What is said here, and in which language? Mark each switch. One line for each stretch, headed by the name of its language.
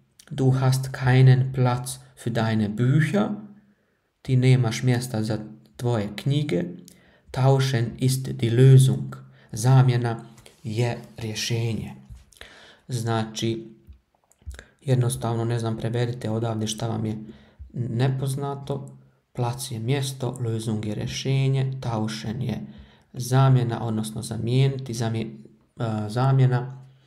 German: Du hast keinen Platz für deine Bücher.
Croatian: Ti nemaš mjesta za tvoje knjige.
German: Tauschen ist die Lösung.
Croatian: Zamjena je rješenje. Znači, jednostavno, ne znam, prevedite odavde šta vam je nepoznato. Plac je mjesto, lösung je rješenje, tauschen je zamjena, odnosno zamijeniti, zamjena.